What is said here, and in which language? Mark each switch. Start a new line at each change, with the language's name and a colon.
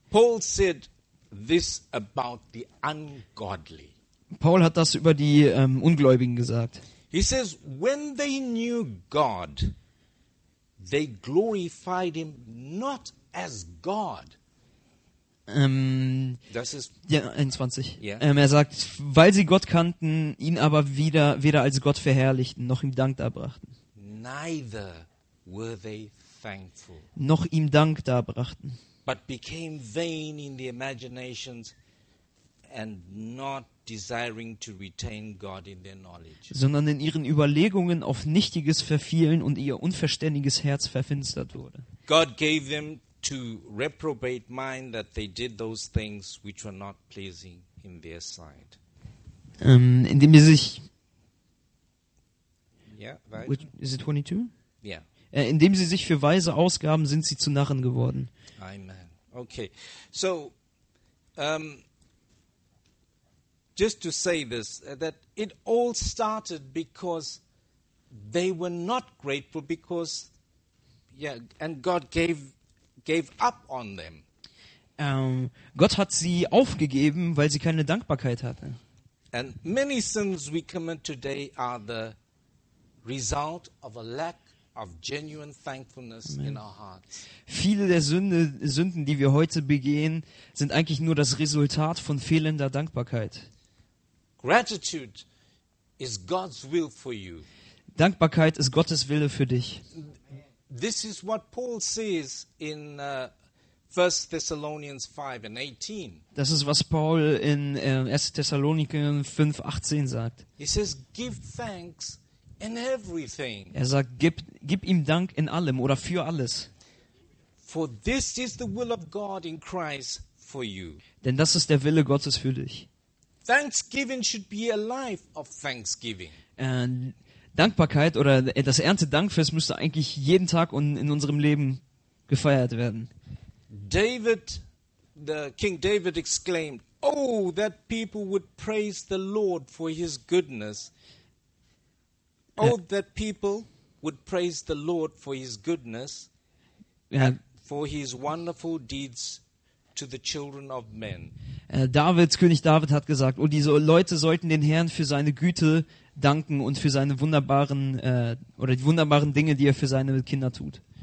English: Paul said this about the ungodly.
German: Paul hat das über die Ungläubigen gesagt.
English: He says, when they knew God, they glorified him not as God.
German: Das ist ja, 21.
English: Yeah.
German: Er sagt, weil sie Gott kannten, ihn aber weder als Gott verherrlichten, noch ihm Dank darbrachten.
English: Neither were they thankful.
German: Noch ihm Dank darbrachten.
English: But became vain in the imaginations and not desiring to retain God in their knowledge.
German: Sondern in ihren Überlegungen auf Nichtiges verfielen und ihr unverständiges Herz verfinstert wurde.
English: God gave them to reprobate mind that they did those things which were not pleasing in their sight.
German: Indem sie sich
English: yeah, right. Is it 22? Yeah.
German: Indem sie sich für weise ausgaben, sind sie zu Narren geworden.
English: Amen. Okay. So just to say this, that it all started because they were not grateful because, yeah, and God gave up on them.
German: Gott hat sie aufgegeben, weil sie keine Dankbarkeit hatte.
English: And many sins we commit today are the result of a lack of genuine thankfulness Amen. In our hearts.
German: Viele der Sünden, die wir heute begehen, sind eigentlich nur das Resultat von fehlender Dankbarkeit.
English: Gratitude is God's will for you.
German: Dankbarkeit ist Gottes Wille für dich.
English: This is what Paul says in 1 Thessalonians 5 and 18.
German: Das ist was Paul in 1. Thessaloniker 5, 18 sagt.
English: He says, give thanks in everything.
German: Er sagt, gib ihm Dank in allem oder für alles.
English: For this is the will of God in Christ for you.
German: Denn das ist der Wille Gottes für dich.
English: Thanksgiving should be a life of thanksgiving.
German: Dankbarkeit oder das Erntedankfest müsste eigentlich jeden Tag und in unserem Leben gefeiert werden.
English: David, the King David exclaimed, "Oh, that people would praise the Lord for his goodness. Oh, that people would praise the Lord for his goodness and for his wonderful deeds to the children of men."
German: David, König David hat gesagt, oh, diese Leute sollten den Herrn für seine Güte danken und für seine wunderbaren oder die wunderbaren Dinge, die er für seine Kinder tut.